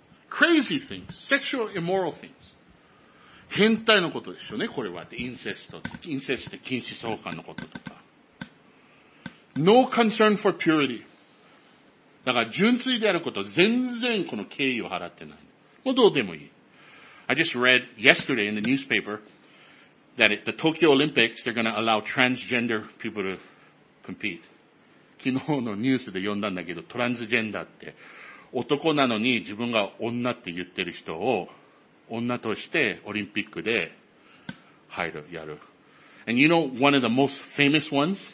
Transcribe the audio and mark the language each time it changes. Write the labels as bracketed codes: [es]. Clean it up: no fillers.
[en] Crazy things, sexual immoral things. [ja] 変態のことですよね、これは。インセスト、禁止相関のこととか。 [en] No concern for purity. [ja] だから純粋であること、全然この敬意を払ってない。もうどうでもいい。 [en] I just read yesterday in the newspaper that at the Tokyo Olympics, they're going to allow transgender people to compete. [ja] 昨日のニュースで読んだんだけど、トランスジェンダーって、男なのに自分が女って言ってる人を女としてオリンピックで入る、やる。 [en] And you know one of the most famous ones?